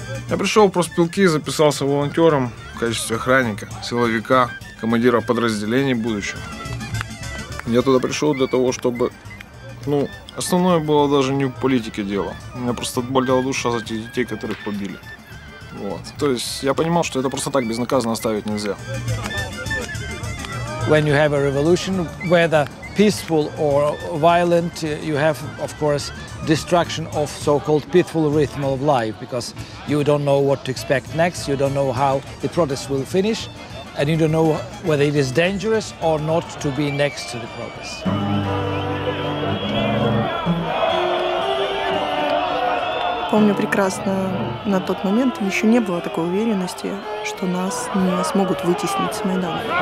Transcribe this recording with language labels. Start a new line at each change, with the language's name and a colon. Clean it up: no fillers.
Russian: Я пришел в проспелки, записался волонтером в качестве охранника, силовика, командира подразделений будущего. Я туда пришел для того, чтобы... Ну, основное было даже не в политике дело. У меня просто болела душа за тех детей, которых побили. Вот. То есть я понимал, что это просто так безнаказанно оставить нельзя.
English: When you have a revolution, whether peaceful or violent, you have, of course, destruction of so-called peaceful rhythm of life, because you don't know what to expect next, you don't know how the protest will finish, and you don't know whether it is dangerous or not to be next to the protest.
Russian: Помню прекрасно, на тот момент еще не было такой уверенности, что нас не смогут вытеснить с Майдана.